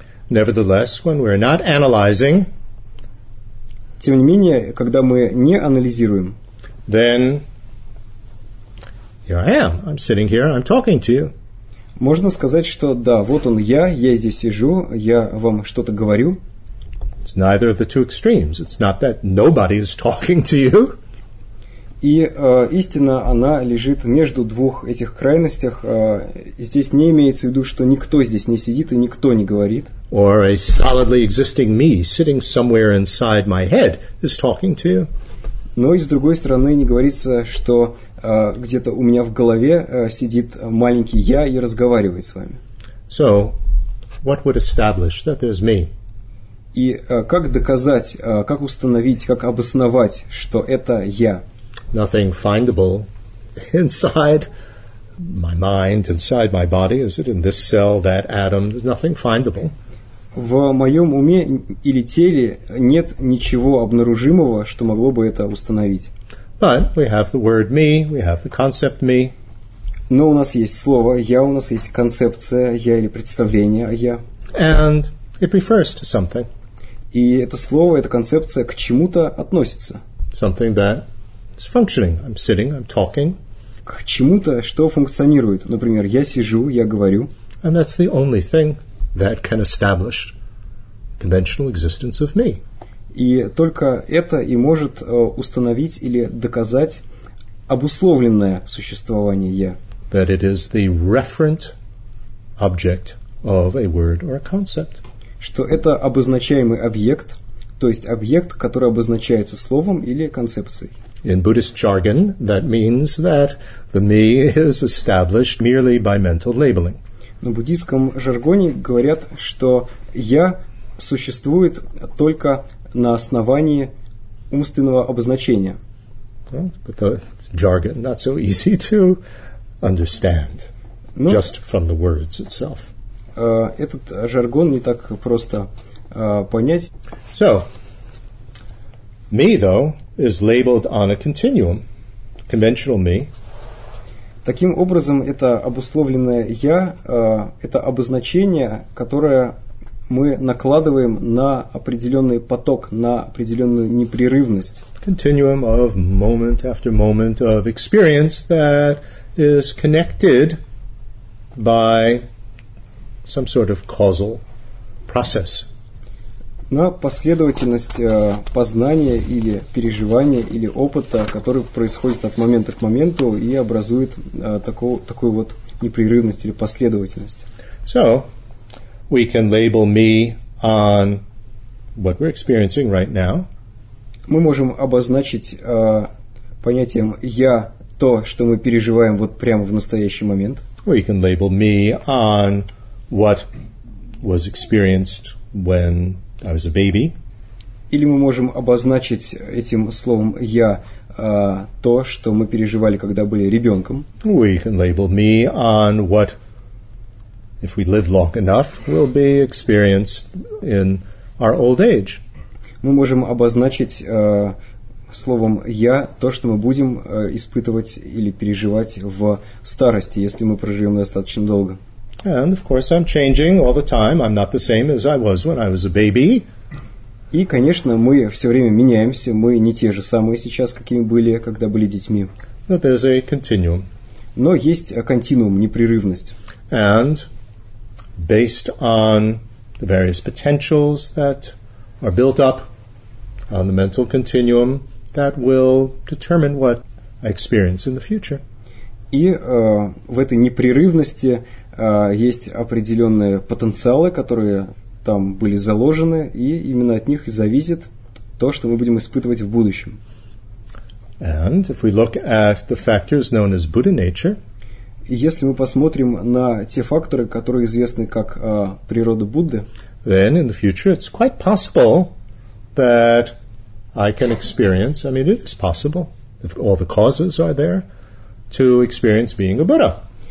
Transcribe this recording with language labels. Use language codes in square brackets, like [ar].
[en] Nevertheless, when we're not analyzing, [ru] тем не менее, когда мы не анализируем, [en] then here I am. I'm sitting here. I'm talking to you. [ru] Можно сказать, что да, вот он я здесь сижу, я вам что-то говорю. [en] It's neither of the two extremes. It's not that nobody is talking to you. [ru] И истина, она лежит между двух этих крайностях. Здесь не имеется в виду, что никто здесь не сидит и никто не говорит. [en] Or a solidly existing me sitting somewhere inside my head is talking to you. [ru] Но и с другой стороны не говорится, что где-то у меня в голове сидит маленький я и разговаривает с вами. [en] So, what would establish that there's me? [ru] И как доказать, как установить, как обосновать, что это я? [en] Nothing findable inside my mind, inside my body, is it in this cell, that atom? There's nothing findable. [ru] В моем уме или теле нет ничего обнаружимого, что могло бы это установить. [en] But we have the word me, we have the concept me. [ru] Но у нас есть слово «я», у нас есть концепция «я» или представление о «я». [en] And it refers to something. [ru] И это слово, эта концепция к чему-то относится. [en] Something that is functioning. I'm sitting, I'm talking. [ru] К чему-то, что функционирует. Например, я сижу, я говорю. [en] And that's the only thing that can establish conventional existence of me. [ru] И только это и может установить или доказать обусловленное существование я. [en] That it is the referent object of a word or a concept. [ru] Что это обозначаемый объект, то есть объект, который обозначается словом или концепцией. [en] In Buddhist jargon, that means that the me is established merely by mental labeling. [ru] На буддийском жаргоне говорят, что «я» существует только на основании умственного обозначения. [en] But the jargon not so easy to understand, no, just from the words itself. [ru] Этот жаргон не так просто понять. So, me, though, is labeled on a continuum, conventional me. Таким образом, это обусловленное «я» — это обозначение, которое мы накладываем на определенный поток, на определенную непрерывность. [en] Continuum of moment after moment of experience that is connected by some sort of causal process. [ru] На последовательность познания или переживания или опыта, который происходит от момента к моменту и образует такую вот непрерывность или последовательность. [en] So, we can label me on what we're experiencing right now. [ru] Мы можем обозначить понятием «я» то, что мы переживаем вот прямо в настоящий момент. [en] We can label me on what was experienced when I was a baby. [ru] Или мы можем обозначить этим словом «я» то, что мы переживали, когда были ребенком. [en] We can label me on what, if we live long enough, will be experienced in our old age. [ru] Мы можем обозначить словом «я» то, что мы будем испытывать или переживать в старости, если мы проживем достаточно долго. [en] And of course, I'm changing all the time. I'm not the same as I was when I was a baby. [ru] И, конечно, мы все время меняемся. Мы не те же самые сейчас, какими были, когда были детьми. [en] But there's a continuum. [ru] Но есть континуум, непрерывность. [en] And based on the various potentials that are built up on the mental continuum, that will determine what I experience in the future. [ru] И в этой непрерывности есть определенные потенциалы, которые там были заложены, и именно от них зависит то, что мы будем испытывать в будущем. [en] And if we look at the factors known as Buddha nature, [ru] если мы посмотрим на те факторы, которые известны как природа Будды, [en] then in the future it's quite possible that I can experience, I mean it is possible, if all the causes are there, to experience being a Buddha.